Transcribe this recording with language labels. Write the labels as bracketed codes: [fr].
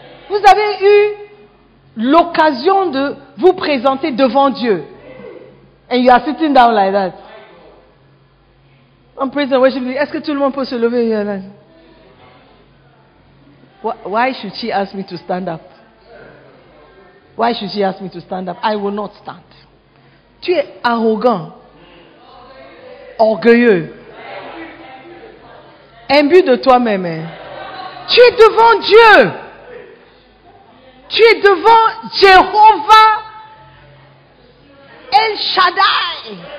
[fr] Vous avez eu l'occasion de vous présenter devant Dieu. [en] And you are sitting down like that. [fr] En prison, je dis, est-ce que tout le monde peut se lever? [en] Why should she ask me to stand up? Why should she ask me to stand up? I will not stand. [fr] Tu es arrogant, orgueilleux, imbu de toi-même. Hein? Tu es devant Dieu. Tu es devant Jéhovah El Shaddai.